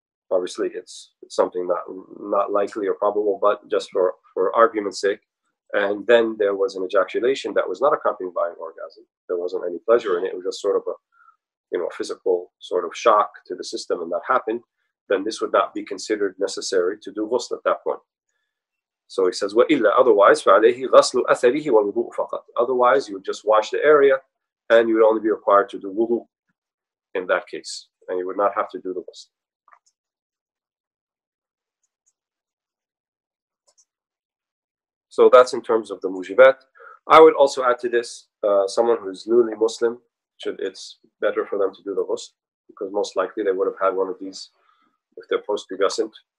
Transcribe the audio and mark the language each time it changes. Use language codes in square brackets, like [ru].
[en] obviously it's something not likely or probable, but just for argument's sake, and then there was an ejaculation that was not accompanied by an orgasm, there wasn't any pleasure in it, it was just sort of a, you know, a physical sort of shock to the system, and that happened, then this would not be considered necessary to do ghusl at that point. So he says, [ar] وَإِلَّا أَذَوَيْسْ فَعَلَيْهِ غَسْلُ أَثَرِهِ وَالْوُضُوءُ فَقَطْ. [en] Otherwise, you would just wash the area, and you would only be required to do wudu in that case, and you would not have to do the ghusl. So that's in terms of the mujibat. I would also add to this, someone who is newly Muslim, it's better for them to do the ghusl, because most likely they would have had one of these if they're post-pubescent.